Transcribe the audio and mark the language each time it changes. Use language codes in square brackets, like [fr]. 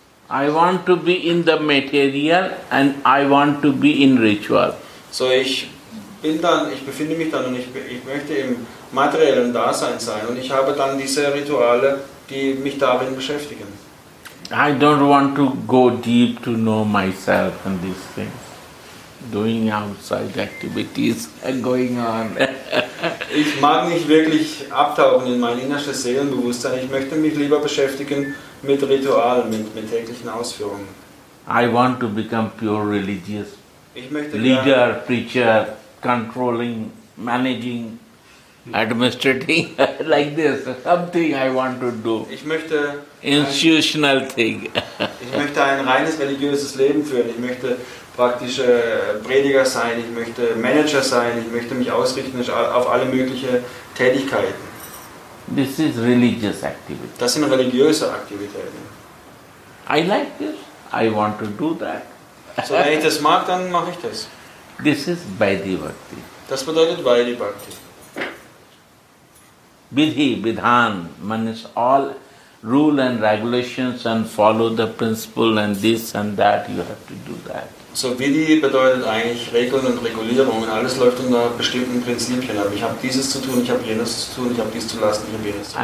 [en] I want to be in the material and I want to be in ritual. [de] So ich befinde mich dann und ich möchte im materiellen Dasein sein und ich habe dann diese Rituale, die mich darin beschäftigen. [en] I don't want to go deep to know myself and these things. Doing outside activities and going on. [de] Ich mag nicht wirklich abtauchen in mein innerstes Seelenbewusstsein. Ich möchte mich lieber beschäftigen mit Ritualen, mit täglichen Ausführungen. [en] I want to become pure religious. [de] Ich möchte [en] leader, preacher, controlling, managing, administrating, like this, something I want to do. [de] Ich möchte [en] institutional thing. [de] Ich möchte ein reines religiöses Leben führen. Ich möchte praktisch Prediger sein. Ich möchte Manager sein. Ich möchte mich ausrichten auf alle möglichen Tätigkeiten. [en] This is religious activity. [de] Das sind religiöse Aktivitäten. [en] I like this. I want to do that. [de] So, wenn ich das mag, dann mache ich das. [en] This is Vaidhi Bhakti. [de] Das bedeutet Vaidhi Bhakti. [en] Vidhi, Vidhan, means all rule and regulations and follow the principle and this and that, you have to do that. [de] So, Vidhi bedeutet eigentlich Regeln und Regulierungen. Alles läuft unter bestimmten Prinzipien. Aber ich habe dieses zu tun, ich habe jenes zu tun, ich habe dies zu lassen, ich habe jenes zu tun.